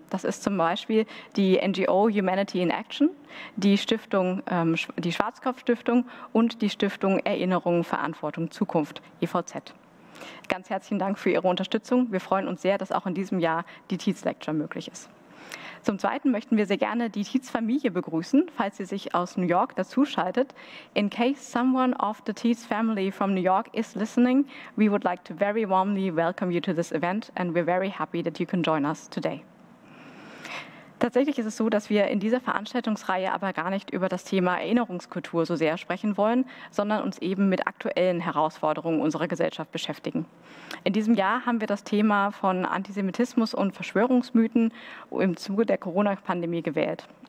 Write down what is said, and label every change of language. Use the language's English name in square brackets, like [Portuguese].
[German] Das ist zum Beispiel die NGO Humanity in Action, die Stiftung, die Schwarzkopf-Stiftung und die Stiftung Erinnerung, Verantwortung, Zukunft, EVZ. Ganz herzlichen Dank für Ihre Unterstützung. Wir freuen uns sehr, dass auch in diesem Jahr die Tietz Lecture möglich ist. Zum Zweiten möchten wir sehr gerne die Tietz-Familie begrüßen, falls sie sich aus New York dazuschaltet. [English] In case someone of the Tietz family from New York is listening, we would like to very warmly welcome you to this event and we're very happy that you can join us today. [German] Tatsächlich ist es so, dass wir in dieser Veranstaltungsreihe aber gar nicht über das Thema Erinnerungskultur so sehr sprechen wollen, sondern uns eben mit aktuellen Herausforderungen unserer Gesellschaft beschäftigen. In diesem Jahr haben wir das Thema von Antisemitismus und Verschwörungsmythen im Zuge der Corona-Pandemie gewählt.